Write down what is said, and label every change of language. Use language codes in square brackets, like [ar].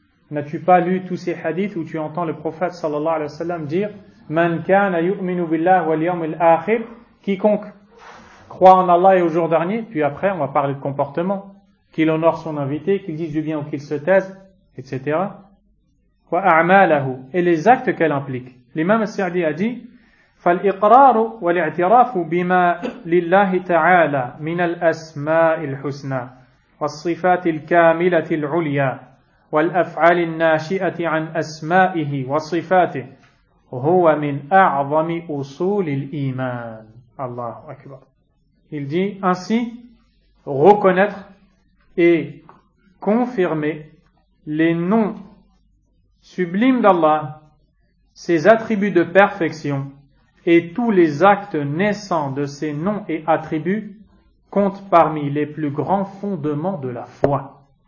[fr] N'as-tu pas lu tous ces hadiths où tu entends le prophète sallallahu alayhi wa sallam dire: [ar] man kana yu'minu billahi wal yawmil akhir, [fr] quiconque croit en Allah et au jour dernier. Puis après on va parler de comportement, qu'il honore son invité, qu'il dise du bien ou qu'il se taise, etc. [ar] Wa a'malahu, [fr] et les actes qu'elle implique. L'imam al-Sa'di a dit: [ar] فالإقرار والاعتراف بما لله تعالى من الأسماء الحسنى والصفات الكاملة العليا والأفعال الناشئة عن أسمائه وصفاته هو من أعظم أصول الإيمان. الله أكبر. [fr] Il dit ainsi: reconnaître et confirmer les noms sublimes d'Allah, ses attributs de perfection et tous les actes naissants de ces noms et attributs comptent parmi les plus grands fondements de la foi.